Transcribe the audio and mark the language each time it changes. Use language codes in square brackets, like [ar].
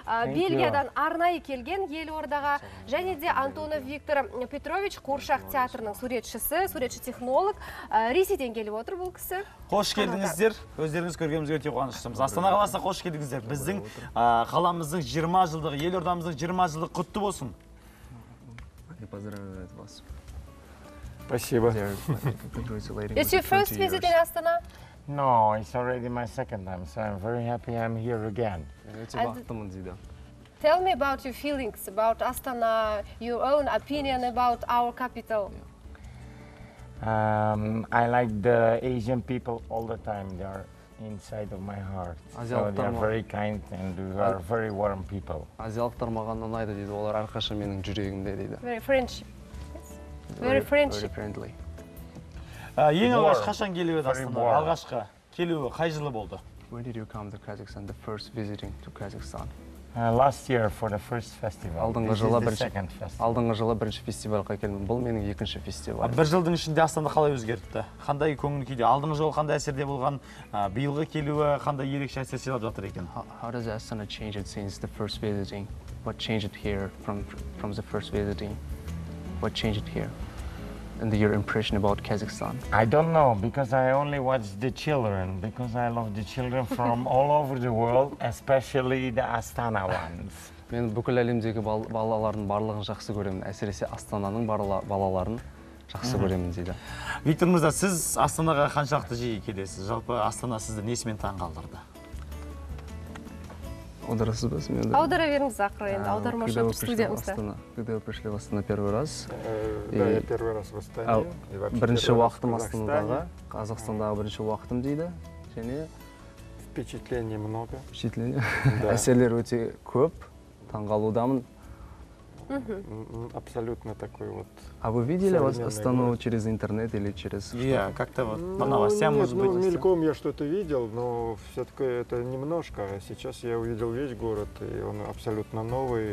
[kk] Бельгиядан арнайы келген Елордаға, және де Антонов Виктор Петрович Қуыршақ театрының суретшісі, суретші-технолог, Ресейден келіп отыр бұл кісі. Қош келдіңіздер. Өздеріңіз көргенімізге өте қуаныштымыз. Астана қаласына қош келдіңіздер. Біздің қаламыздың 20 жылдығы, Елордамыздың 20 жылдығы құтты болсын. [ru] Поздравляю вас. Спасибо. [en] Is your first visit in Astana? No, it's already my second time, so I'm very happy I'm here again. And tell me about your feelings about Astana, your own opinion about our capital. I like the Asian people all the time. They are inside of my heart. So they are very kind and we are very warm people. [kk] Азиялықтар маған ұнайды дейді, олар әрқашан менің жүрегімде дейді. [en] Very friendship. Very friendship. Very friendly. [kk] Ең алғаш қашан келуі Астанаға? Алғашқы келуі қай жылы болды? [en] When did you come to Kazakhstan, the first visiting to Kazakhstan? Last year for the first festival. [kk] Алдыңғы жылы бірінші фестиваль. Алдыңғы жылы бірінші фестивальға келдім. Бұл менің екінші фестивалім. Бір жылдың ішінде Астана қалай өзгерді? Қандай көңіл күйде? Алдыңғы жылы қандай әсерде болған? Биылғы келуі қандай ерекше әсер сыйлап жатыр екен? [en] How does Astana change it since the first visiting? What changed here from the first visiting? What changed here? And your impression about Kazakhstan? I don't know, because I only watch the children, because I love the children from all over the world, especially the Astana ones. [kk] Мен бүкіл әлемдегі балалардың барлығын жақсы көремін, әсіресе Астананың балаларын жақсы көремін дейді. Виктор Мырза, сіз Астанаға қаншалықты жиі келесіз? Жалпы Астана сізді несімен таң қалдырды? Аударасыз ба? Аудара беріңіз ақыры енді, аудармашы оқып студиямызда. [ru] Когда вы пришли в Астана первый раз? Да, я первый раз в Астане. [kk] Бірінші уақытым Астанадағы, Қазақстандағы бірінші уақытым дейді. Және... [ru] Впечатлений много. Впечатлений? [kk] Әсерлер өте көп, таңғалудамын. [ru] Абсолютно такой вот... А вы видели Астану через интернет или через... Я как-то вот по новостям, может быть... Ну, мельком я что-то видел, но все-таки это немножко. Сейчас я увидел весь город, и он абсолютно новый.